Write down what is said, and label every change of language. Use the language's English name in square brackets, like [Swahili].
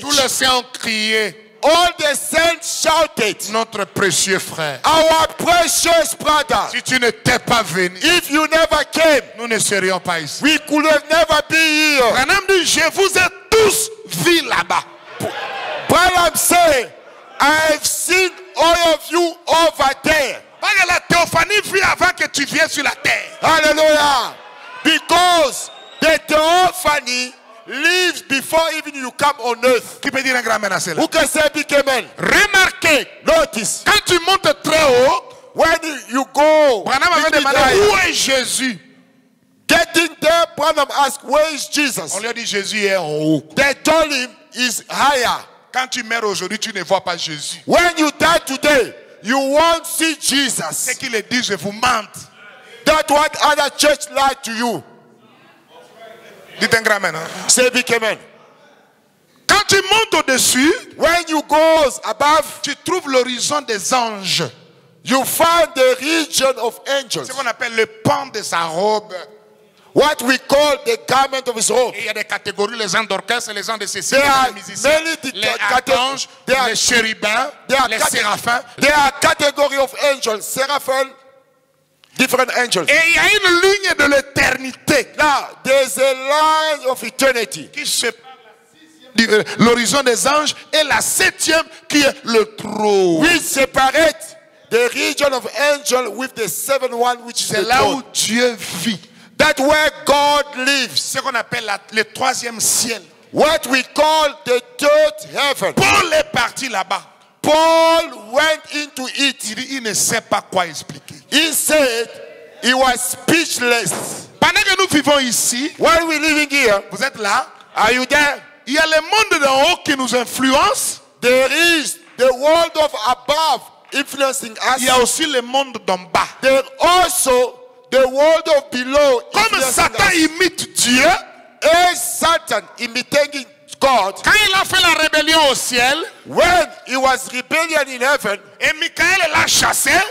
[French] tous les saints ont crié. [English] All the saints shouted, [French] notre précieux frère, [English] our precious brother, [French] si tu n'étais pas venu, [English] if you never came, [French] nous ne serions pas ici. [English] We could have never been here. [French] Branham dit, je vous ai tous vu là-bas. [English] Branham said, I've seen all of you over there. [French] Parce que la théophanie vit avant que tu viennes sur la terre. Alléluia. [English] Because the theophany lives before even you come on earth. [French] Qui peut dire un grand amen à cela? [English] Who can say big amen? [French] Remarquez, [English] notice, [French] quand tu montes très haut, [English] when you go, [French] Branham avait demandé où est Jésus? [English] Getting there, Branham asked, where is Jesus? [French] On lui a dit Jésus est en haut. [English] They told him is higher. [French] Quand tu meurs aujourd'hui, tu ne vois pas Jésus. [English] When you die today, you won't see Jesus. [French] C'est qu'il est dit, je vous mente. [English] That's what other church lied to you. [French] Dites un grand amen. [English] Say big amen. [French] Quand tu montes au-dessus, [English] when you go above, [French] tu trouves l'horizon des anges. [English] You find the region of angels. [French] C'est ce qu'on appelle le pan de sa robe. [English] What we call the garment of his robe. [French] Il y a des catégories, les gens d'orchestre, les gens de ceci, les musiciens, les archanges, les chérubins, les séraphins. [English] There are categories of angels, seraphim. Different angels. [French] Et il y a une ligne de l'éternité. [English] Là, there's a line of eternity. [French] Qui sépare l'horizon des anges et la septième qui est le trône. [English] We separate the region of angels with the seventh one, which is the [French] throne. C'est là où Dieu vit. [English] That's where God lives. [French] Ce qu'on appelle le troisième ciel. [English] What we call the third heaven. [French] Paul est parti là-bas. [English] Paul went into it. [French] Il dit, il ne sait pas quoi expliquer. [English] He said he was speechless. [French] Pendant que nous vivons ici, [English] why we living here? [French] Vous êtes là? [English] Are you there? [French] Il y a le monde d'en haut qui nous influence. [English] There is the world of above influencing us. [French] Il y a aussi le monde d'en bas. [English] There also the world of below. [French] Comme Satan imite Dieu, [English] as Satan imitating God. [French] Quand il a fait la rébellion au ciel, [English] when he was rebellion in heaven, [French] et Michael l'a chassé,